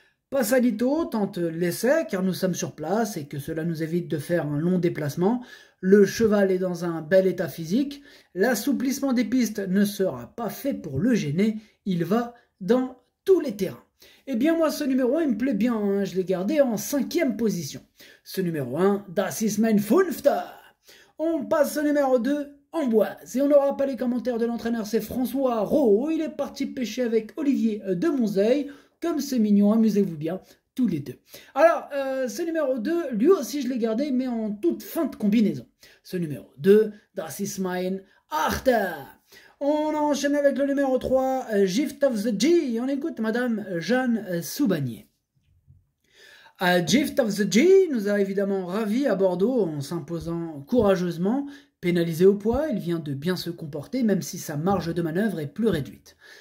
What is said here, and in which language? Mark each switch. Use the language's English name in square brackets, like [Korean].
[French] Passalito tente l'essai car nous sommes sur place et que cela nous évite de faire un long déplacement. Le cheval est dans un bel état physique. L'assouplissement des pistes ne sera pas fait pour le gêner. Il va dans tous les terrains. Eh bien moi ce numéro 1 il me plaît bien. Hein. Je l'ai gardé en cinquième position. Ce numéro 1, [German] Das ist mein Fünfter. [French] On passe au numéro 2. Amboise. Et on n'aura pas les commentaires de l'entraîneur, c'est François Rau. Il est parti pêcher avec Olivier de Monzeuil. Comme c'est mignon, amusez-vous bien tous les deux. Alors, ce numéro 2, lui aussi je l'ai gardé, mais en toute fin de combinaison. Ce numéro 2, [German] Das ist mein Achter. [French] On enchaîne avec le numéro 3, Gift of the G. Et on écoute Madame Jeanne Soubanier. Gift of the G nous a évidemment ravis à Bordeaux en s'imposant courageusement. Pénalisé au poids, il vient de bien se comporter, même si sa marge de manœuvre est plus réduite.